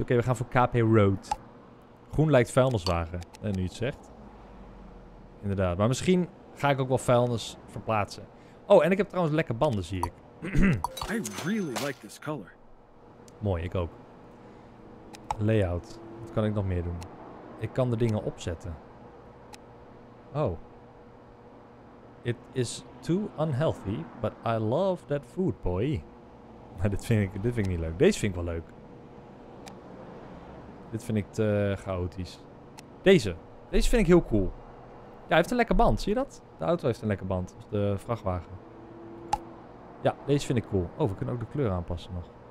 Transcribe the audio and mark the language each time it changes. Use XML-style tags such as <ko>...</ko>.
<nl>Oké, we gaan voor KP Road. Groen lijkt vuilniswagen. En nu je het zegt. Inderdaad. Maar misschien ga ik ook wel vuilnis verplaatsen. Oh, en ik heb trouwens lekker banden, zie ik.</nl> <en>I really like this color.</en> <nl>Mooi, ik ook. Layout. Wat kan ik nog meer doen? Ik kan de dingen opzetten. Oh.</nl> <en>It is too unhealthy, but I love that food, boy.</en> <nl>Maar dit vind ik niet leuk. Deze vind ik wel leuk. Dit vind ik te chaotisch. Deze vind ik heel cool. Ja, hij heeft een lekker band. Zie je dat? De auto heeft een lekker band. Of de vrachtwagen. Ja, deze vind ik cool. Oh, we kunnen ook de kleur aanpassen nog.</nl>